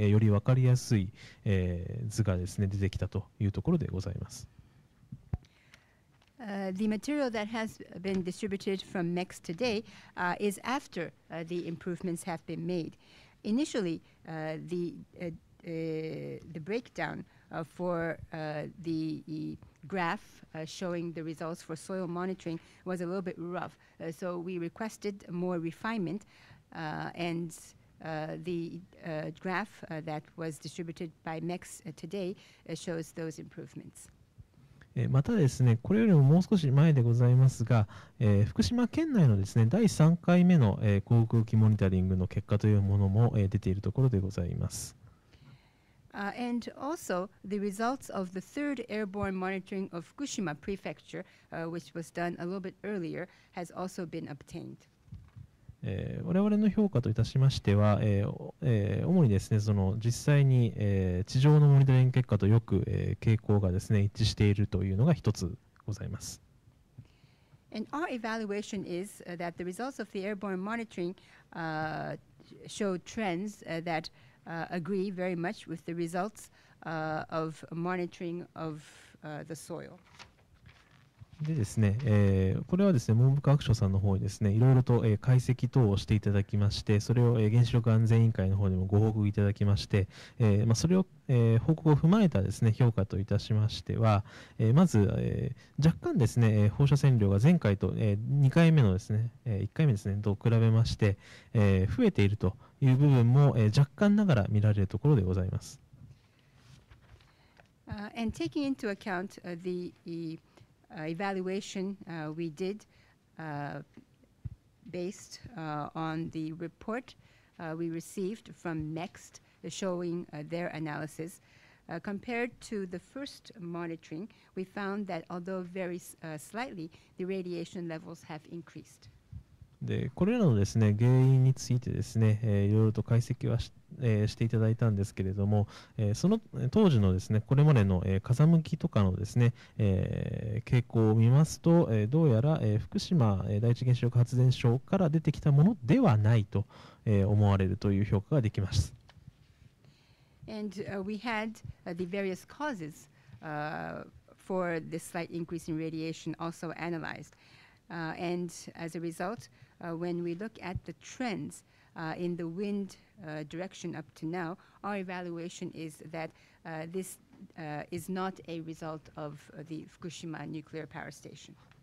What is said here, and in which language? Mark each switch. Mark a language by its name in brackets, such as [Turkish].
[Japanese] 今日、文科省さんから送られた後の方のものでございますが、当初はですね、土壌の方に、図につきましてですね、少し、区分がですね、粗かった部分があるということで、それをもう少し、細かくしてくださいというような評価を出したところでございまして、それを受けましてですね、文部科学省さんの方で今回、より分かりやすい、図がですね、出てきたというところでございます。 [English] The material that has been distributed from MEX today is after the improvements have been made. Initially, the breakdown for the graph showing the results for soil monitoring was a little bit rough, so we requested more refinement, and the graph that was distributed by MEX today shows those improvements. [Japanese] またですね、これよりももう少し前でございますが、福島県内のですね、第3回目の、航空機モニタリングの結果というものも、出ているところでございます。 [English] And also the results of the third airborne monitoring of Fukushima Prefecture, which was done a little bit earlier, has also been obtained. [Japanese] 我々の評価といたしましては、主にですね、その実際に、地上のモニタリング結果とよく、傾向がですね、一致しているというのが一つございます。 [English] And our evaluation is that the results of the airborne monitoring show trends that agree very much with the results of monitoring of the soil. [Japanese] でですね、これはですね、文部科学省さんの方にですね、いろいろと、解析等をしていただきまして、それを、原子力安全委員会の方にもご報告いただきまして、まあ、それを、報告を踏まえたですね、評価といたしましては、まず、若干ですね、放射線量が前回と、2回目のですね、1回目ですね、と比べまして、増えているという部分も、若干ながら見られるところでございます。 [English] And taking into account theevaluation we did based on the report we received from MEXT showing their analysis. Compared to the first monitoring, we found that although very slightly, the radiation levels have increased. [Japanese] でこれらのですね原因についてですね、いろいろと解析は していただいたんですけれども、その当時のですねこれまでの、風向きとかのですね、傾向を見ますと、どうやら、福島第一原子力発電所から出てきたものではないと、思われるという評価ができます。 [English] And we had the various causes for the slight increase in radiation also analyzed. And as a result, when we look at the trends in the wind direction up to now, our evaluation is that this is not a result of the Fukushima nuclear power station.